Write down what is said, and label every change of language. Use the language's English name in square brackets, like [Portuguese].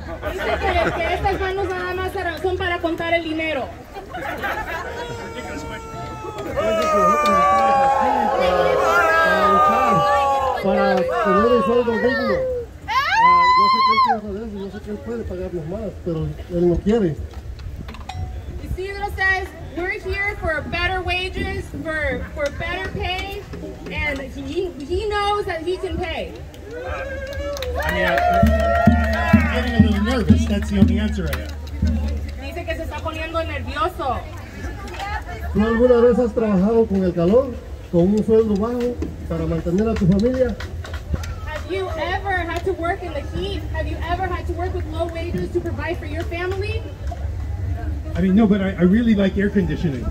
[Spanish] Dice que estas manos nada más son para contar el dinero. Para tener un sueldo digno. No sé qué él quiere hacer eso, no sé qué él puede pagarnos más, pero él no quiere. [English] Isidro says, we're here for better wages, for better pay, and he knows that he can pay. I'm getting a little nervous, that's the only answer I have. [Spanish] Dice que se está poniendo nervioso. ¿Tú alguna vez has trabajado con el calor, con un sueldo bajo, para mantener a tu familia? [English] Have you ever had to work in the heat? Have you ever had to work with low wages to provide for your family? I mean, no, but I really like air conditioning.